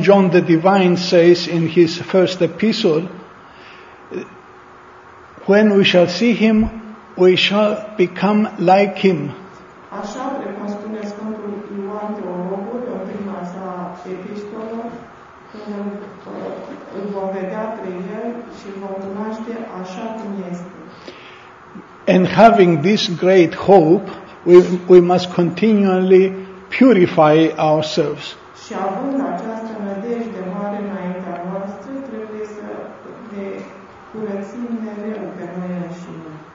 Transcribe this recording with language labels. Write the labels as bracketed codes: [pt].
[en] John the Divine says in his first epistle, when we shall see Him, we shall become like Him. [ro] Așa, precum spune Sfântul Ioan Teologul în prima sa epistolă, când îl vom vedea pe El și îl vom cunoaște așa cum este. [en] And having this great hope, we must continually purify ourselves. [ro] Și având această nădejde mare înaintea noastră, trebuie să ne curățim mereu pe noi înșine.